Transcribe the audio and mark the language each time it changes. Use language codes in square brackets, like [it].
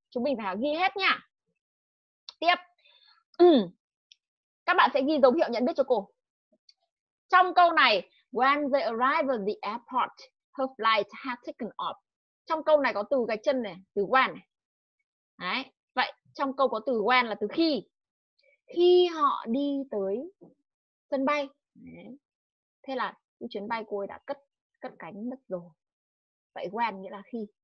[vi] Chúng mình phải ghi hết nha. Tiếp. Các bạn sẽ ghi dấu hiệu nhận biết cho cô. Trong câu này, [en] when they arrived at the airport, her flight had taken off. [vi] Trong câu này có từ gạch chân này, từ when này. Đấy. Vậy trong câu có từ when là từ khi. Khi họ đi tới sân bay. Đấy. Thế là chuyến bay cô ấy đã cất cánh mất rồi. Vậy when nghĩa là khi.